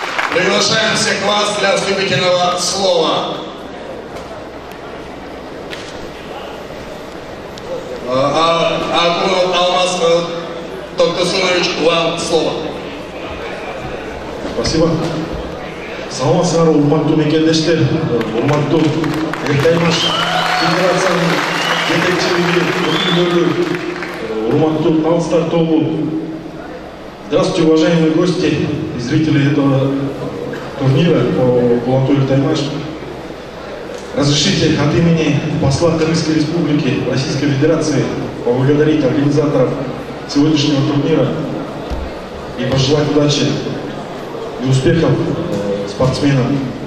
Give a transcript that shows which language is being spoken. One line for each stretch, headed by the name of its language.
Russian: Приглашаем всех вас для вступительного слова. Акунов Алмаз Токташунович, вам слово. Спасибо.
Kyrgyz: Салам сару, урматту мекендеште, урматту Эртаймаш Федерациянын жетекчилиги, өкүлдөрү, урматту Алстар тобу.
Russian: Здравствуйте, уважаемые гости и зрители этого турнира по кулату Эртаймаш. Разрешите от имени посла Кыргызской Республики, Российской Федерации поблагодарить организаторов сегодняшнего турнира и пожелать удачи и успехов спортсменам.